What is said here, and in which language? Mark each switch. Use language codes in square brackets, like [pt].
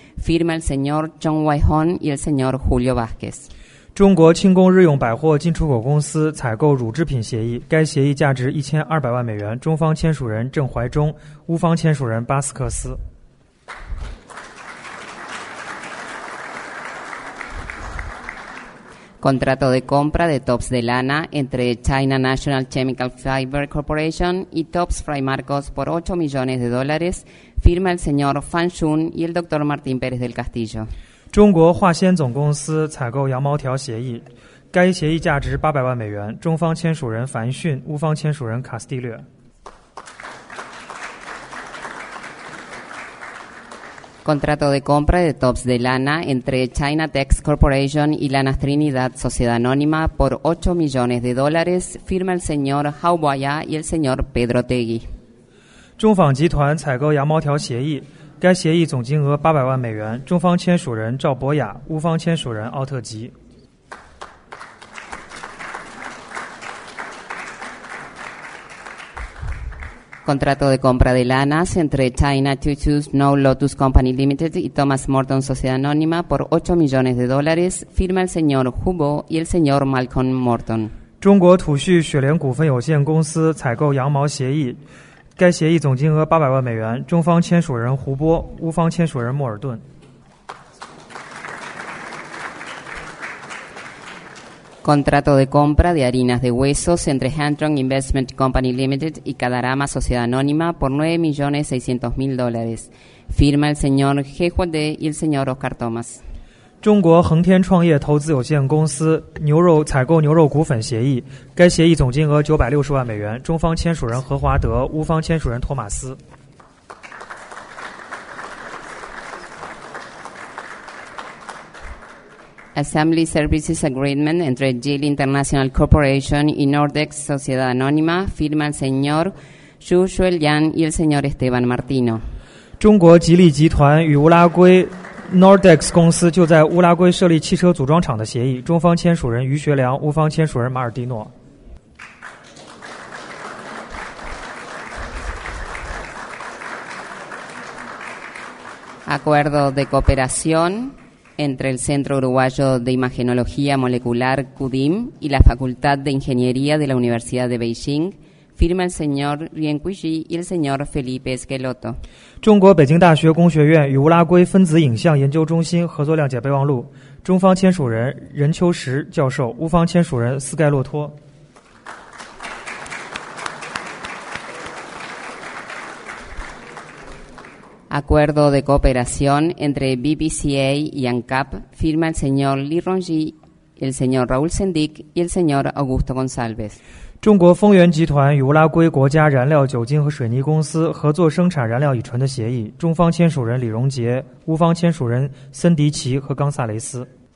[es] Firma el señor Chong Wai-hong y el señor Julio Vázquez. [zh] 中国轻工日用百货进出口公司采购乳制品协议，该协议价值 1200 万美元。中方签署人郑怀中，乌方签署人巴斯克斯。 [es] Contrato de compra de tops de lana entre China National Chemical Fiber Corporation y Tops Fray Marcos por 8 millones de dólares. Firma el señor Fan Shun y el doctor Martín Pérez del Castillo. [zh] 中国化纤总公司采购羊毛条协议，该协议价值 800 万美元。中方签署人樊迅，乌方签署人卡斯蒂略。 [es] Contrato de compra de tops de lana entre China Tex Corporation y Lanas Trinidad Sociedad Anónima por 8 millones de dólares. Firma el señor Hao Baya y el señor Pedro Tegui. [zh] 中纺集团采购羊毛条协议，该协议总金额 800 万美元。中方签署人赵博雅，乌方签署人奥特吉。 [es] Contrato de compra de lanas entre China Tutus No Lotus Company Limited y Thomas Morton Sociedad Anónima por 8 millones de dólares. Firma el señor Hubo y el señor Malcolm Morton. [zh] 中国土畜雪莲股份有限公司采购羊毛协议，该协议总金额 800 万美元。中方签署人胡波，乌方签署人莫尔顿。 [es] Contrato de compra de harinas de huesos entre Handrong Investment Company Limited y Cadarama Sociedad Anónima por 9.600.000 dólares. Firma el señor Jehuade y el señor Oscar Thomas. [zh] 中国恒天创业投资有限公司牛肉采购牛肉股份协议，该协议总金额960万美元，中方签署人何华德，乌方签署人托马斯。 [en] Assembly Services Agreement [es] entre Geely International Corporation y Nordex Sociedad Anónima, firma el señor Xu Shuelyan y el señor Esteban Martino. [zh] 中国吉利集团与乌拉圭 Nordex 公司就在乌拉圭设立汽车组装厂的协议，中方签署人于学良，乌方签署人马尔蒂诺。 [es] Acuerdo de cooperación. Entre el Centro Uruguayo de Imagenología Molecular CUDIM y la Facultad de Ingeniería de la Universidad de Beijing, firma el señor Yuan Guiji y el señor Felipe Esqueloto. [zh] 中国北京大学工学院与乌拉圭分子影像研究中心合作谅解备忘录，中方签署人任秋实教授，乌方签署人斯盖洛托。 [es] Acuerdo de cooperación entre BBCA y ANCAP, firma el señor Li Rongji, el señor Raúl Sendik y el señor Augusto González. [zh] 中国丰源集团与乌拉圭国家燃料酒精和水泥公司合作生产燃料乙醇的协议，中方签署人李荣杰，乌方签署人森迪奇和冈萨雷斯。